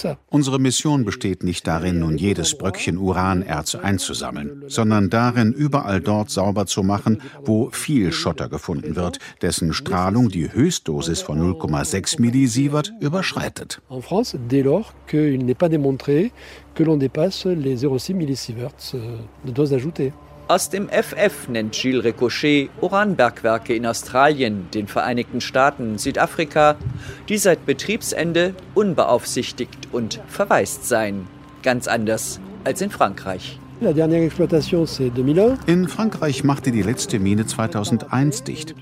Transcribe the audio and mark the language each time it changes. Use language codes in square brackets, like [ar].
[de] Unsere Mission besteht nicht darin, nun jedes Bröckchen Uranerz einzusammeln, sondern darin, überall dort sauber zu machen, wo viel Schotter gefunden wird, dessen Strahlung die Höchstdosis von 0,6 Millisievert überschreitet. [fr] In France, dès lors qu'il n'est pas démontré que l'on dépasse les 0,6 Millisievert de dose ajoutée. [de] Aus dem FF nennt Gilles Recochet Uranbergwerke in Australien, den Vereinigten Staaten, Südafrika, die seit Betriebsende unbeaufsichtigt und verwaist seien. Ganz anders als in Frankreich. In Frankreich machte die letzte Mine 2001 dicht.